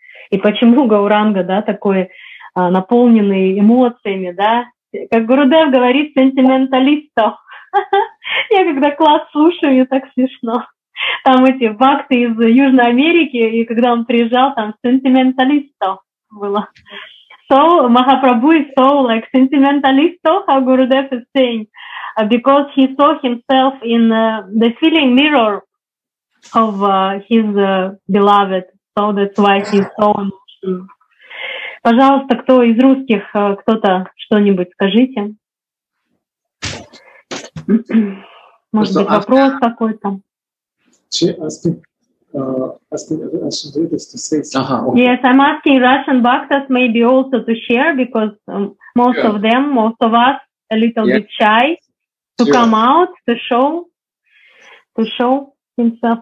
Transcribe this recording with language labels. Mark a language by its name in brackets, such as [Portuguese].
[Russian] И почему Гауранга, да, такой наполненный эмоциями, да, как Гурудев говорит, сентименталистов. Я когда класс слушаю, мне так смешно. Там эти бхакты из Южной Америки, и когда он приезжал, там сентименталистов было. [English] so Mahaprabhu is so like sentimentalist, how Gurudev is saying, because he saw himself in the feeling mirror of his beloved. So that's why he's so emotional. [Russian] Пожалуйста, кто из русских, кто-то что-нибудь скажите. Может быть, вопрос какой-то? [English] Yes, I'm asking Russian bhaktas maybe also to share, because most of them, most of us, a little bit shy to come out, to show himself.